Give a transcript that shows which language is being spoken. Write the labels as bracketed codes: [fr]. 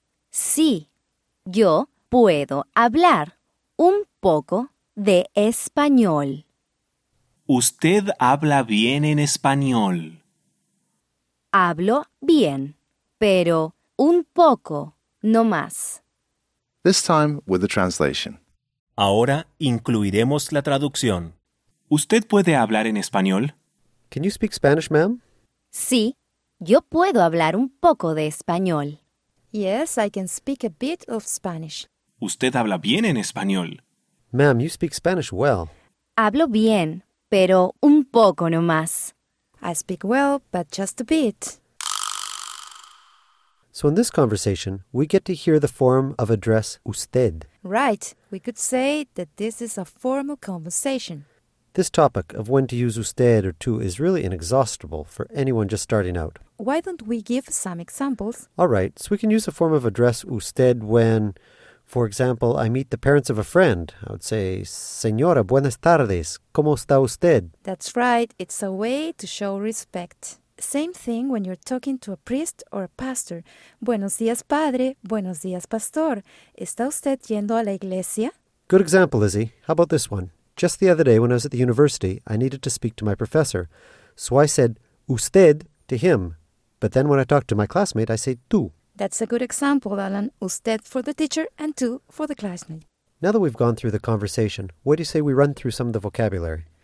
[es] Sí, yo puedo hablar un poco de español. Usted habla bien en español. Hablo bien, pero un poco, no más. [en] This time with the translation. [es] Ahora incluiremos la traducción. ¿Usted puede hablar en español? [en] Can you speak Spanish, ma'am? [es] Sí, yo puedo hablar un poco de español. [en] Yes, I can speak a bit of Spanish. [es] Usted habla bien en español. [en] Ma'am, you speak Spanish well. [es] Hablo bien, pero un poco nomás. [en] I speak well, but just a bit. So in this conversation, we get to hear the form of address usted. Right. We could say that this is a formal conversation. This topic of when to use usted or tú is really inexhaustible for anyone just starting out. Why don't we give some examples? All right. So we can use a form of address usted when, for example, I meet the parents of a friend. I would say, [es] Señora, buenas tardes. ¿Cómo está usted? [en] That's right. It's a way to show respect. Same thing when you're talking to a priest or a pastor. [es] Buenos días, padre. Buenos días, pastor. ¿Está usted yendo a la iglesia? [en] Good example, Lizzie. How about this one? Just the other day when I was at the university, I needed to speak to my professor. So I said, usted, to him. But then when I talk to my classmate, I say, tú. That's a good example, Alan. Usted for the teacher and tú for the classmate. Now that we've gone through the conversation, what do you say we run through some of the vocabulary?